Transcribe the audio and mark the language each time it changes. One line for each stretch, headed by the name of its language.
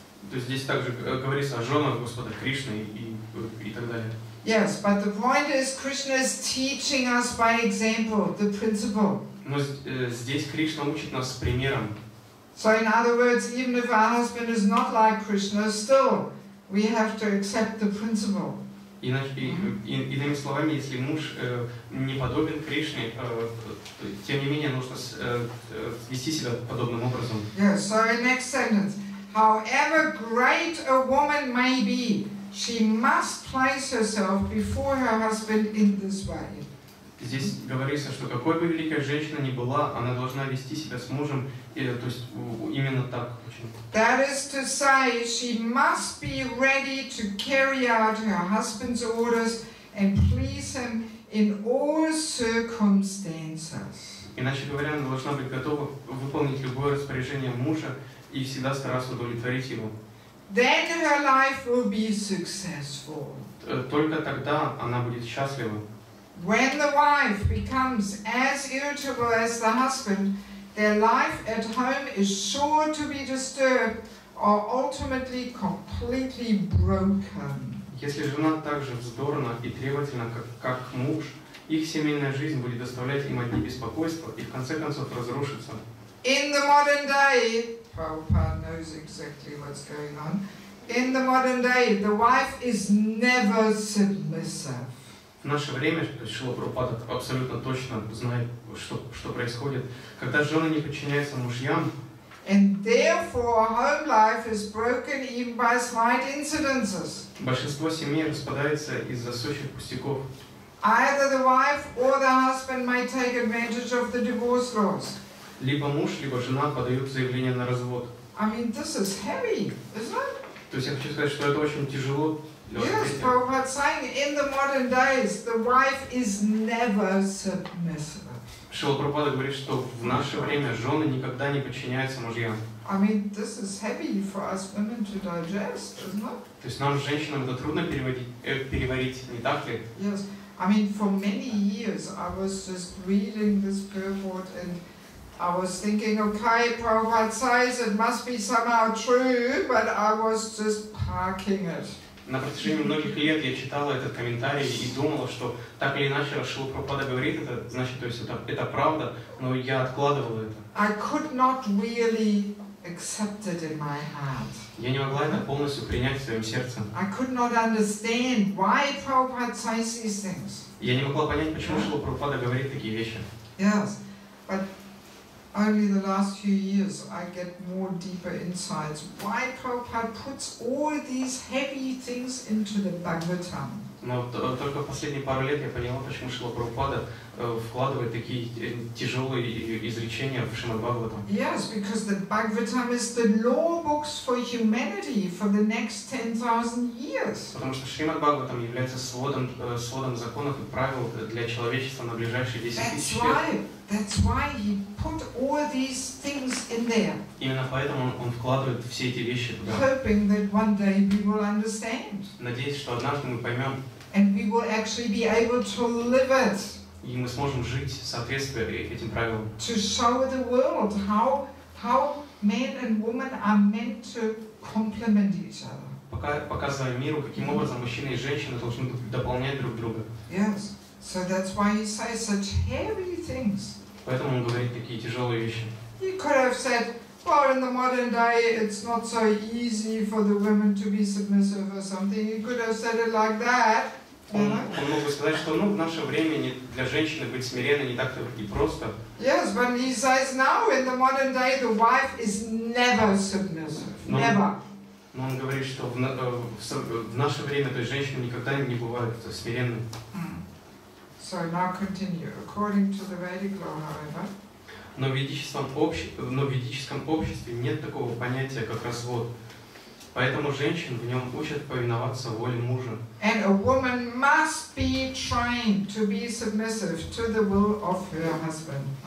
Russian: То есть здесь также говорится о женах Господа Кришны и так далее.
English: Yes, but the point is Krishna is teaching us by example, the principle.
Russian: Но здесь Кришна учит нас примером.
English: So in other words, even if our husband is not like Krishna, still we have to accept the principle.
Russian: Иными словами, если муж не подобен Кришне, тем не менее нужно вести себя подобным образом.
English: Yes, so in next sentence. However great a woman may be, she must place herself before her husband in this way.
Russian: Здесь говорится, что какой бы великая женщина ни была, она должна вести себя с мужем, то есть именно так.
English: That is to say, she must be ready to carry out her husband's orders and please him in all circumstances.
Russian: Иначе говоря, она должна быть готова выполнить любое распоряжение мужа и всегда стараться удовлетворить его.
English: Then her life will be successful.
Russian: Только тогда она будет счастлива.
English: When the wife becomes as irritable as the husband, their life at home is sure to be disturbed or ultimately completely broken.
Russian: Если жена так же вздорна и требовательна, как муж, их семейная жизнь будет доставлять им одни беспокойства и в конце концов разрушится.
English: In the modern day, Prabhupada knows exactly what's going on. In the modern day, the wife is never submissive.
Russian: В наше время Шрила Прабхупада абсолютно точно знает, что происходит. Когда жены не подчиняются мужьям,
English: and therefore home life is broken even by slight incidences.
Russian: Большинство семей распадается из-за сущих пустяков.
English: Either the wife or the husband may take advantage of the divorce laws.
Russian: Либо муж, либо жена подают заявление на развод.
English: I mean, this is heavy, isn't it?
Russian: То есть я хочу сказать, что это очень тяжело.
English: Yes, Prabhupada saying in the modern days the wife is never submissive.
Russian: Шрила Прабхупада говорит, что в наше время жены никогда не подчиняются мужьям.
English: I mean, this is heavy for us women to digest, isn't it?
Russian: То есть нам женщинам это трудно переварить, не так ли?
English: Yes, I mean, for many years I was just reading this purport and I was thinking, okay, Prabhupada says it must be somehow true, but I was just parking it.
Russian: На протяжении многих лет я читала этот комментарий и думала, что так или иначе Шрила Прабхупада говорит это, значит, то есть это правда, но я откладывала это.
English: I could not really accept it in my heart.
Russian: Я не могла это полностью принять в своем сердце.
English: I could not understand why Prabhupada says these things.
Russian: Я не могла понять, почему Шрила Прабхупада говорит такие вещи.
English: Yes, but only the last few years I get more deeper insights why Prabhupada puts all these heavy things into the Bhagavatam.
Russian: Но только последние пару лет я поняла, почему Шрила Прабхупада вкладывает такие тяжелые изречения в Шримад Бхагаватам.
English: Yes, because the Bhagavatam is the law books for humanity for the next 10,000 years.
Russian: Потому что Шримад Бхагаватам является сводом законов и правил для человечества на ближайшие 10,000 лет.
English: That's why he put all these things in there.
Russian: Именно поэтому он вкладывает все эти вещи туда.
English: Hoping that one day we will understand.
Russian: Надеюсь, что однажды мы поймем.
English: And we will actually be able to live it.
Russian: И мы сможем жить в соответствии этим правилам.
English: To show the world how men and women are meant to complement each other.
Russian: Показывая миру, каким образом мужчины и женщины должны дополнять друг друга.
English: Yes. So that's why he says such heavy things.
Russian: Поэтому он говорит такие тяжелые вещи.
English: He could have said, well, in the modern day, it's not so easy for the women to be submissive or something. He could have said it like that. Mm-hmm.
Russian: Он мог бы сказать, что ну, в наше время не, для женщины быть смиренной не так-то и просто.
English: Yes, but he says now in the modern day the wife is never submissive. Never.
Russian: Но он говорит, что в наше время то есть женщины никогда не бывают смиренными.
English: So now continue. According to the Vedic law, however.
Russian: Но в ведическом обществе нет такого понятия, как развод. Поэтому женщин в нем учат повиноваться воле мужа.
English: And a woman must be trained to be submissive to the will of her husband.